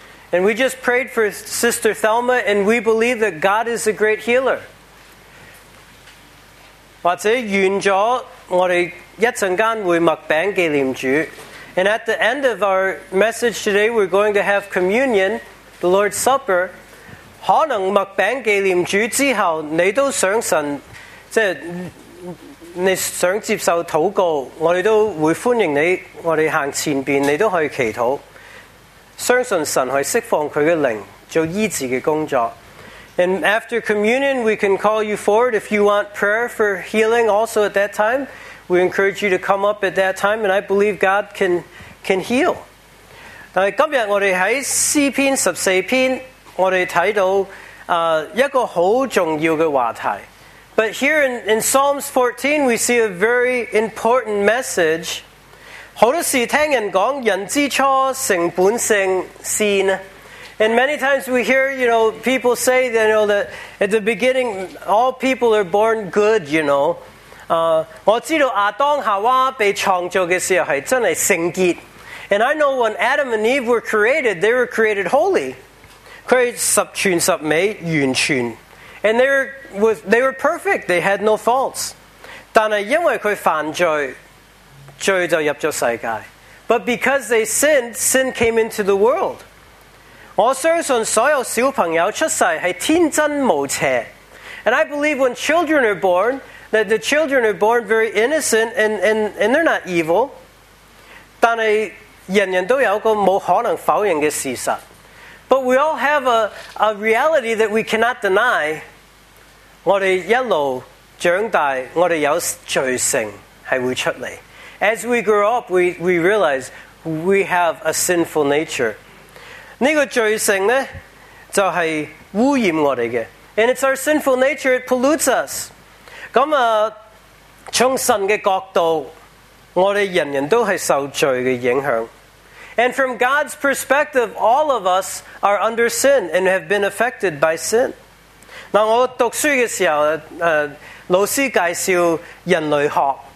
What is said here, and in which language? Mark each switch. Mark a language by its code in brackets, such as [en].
[en] And we just prayed for Sister Thelma, and we believe that God is a great healer. [yue] 或者完咗，我哋一阵间会擘饼纪念主。 [en] And at the end of our message today, we're going to have communion, the Lord's Supper. [yue] 可能麦饼纪念主之后，你都想神，即系你想接受祷告，我哋都会欢迎你。我哋行前边，你都可以祈祷，相信神去释放佢嘅灵做医治嘅工作。 [en] And after communion, we can call you forward if you want prayer for healing. Also at that time, we encourage you to come up at that time, and I believe God can heal. [yue] 但系今日我哋喺诗篇十四篇。我们看到一个很重要的话题。 [en] But here in Psalms 14, we see a very important message. [yue] 很多时听人讲人之初性本性善。 [en] And many times we hear, you know, people say, you know, that at the beginning, all people are born good, you know. [yue] 我知道亚当夏娃被创造的时候是真的圣洁。 [en] And I know when Adam and Eve were created, they were created holy. [yue] 可以十全十美完全 [en] and they were perfect. They had no faults. [yue] 但是因为他犯罪，罪就入咗世界。 [en] But because they sinned, sin came into the world. [yue] 我相信所有小朋友出世是天真无邪。 [en] And I believe when children are born, that the children are born very innocent and they're not evil. [yue] 但是人人都有个冇可能否认的事实。 [en] But we all have a reality that we cannot deny. [yue] 我们一路长大，我们有罪性是会出来。 [en] As we grow up, we realize we have a sinful nature. [yue] 这个罪性呢，就是污染我们的。 [en] And it's our sinful nature, it pollutes us. [yue] 咁啊，从神的角度，我们人人都是受罪的影响。 [en] And from God's perspective, all of us are under sin and have been affected by sin. [yue] 那我读书的时候，老师介绍人类学。